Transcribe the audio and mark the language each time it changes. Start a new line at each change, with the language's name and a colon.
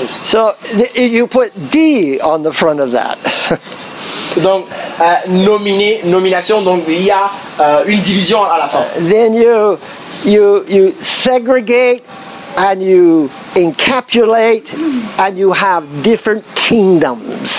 English: So you put D on the front of that.
French: Donc nominé, nomination. Donc il y a une division à la fin.
English: Then you segregate and you encapsulate and you have different kingdoms.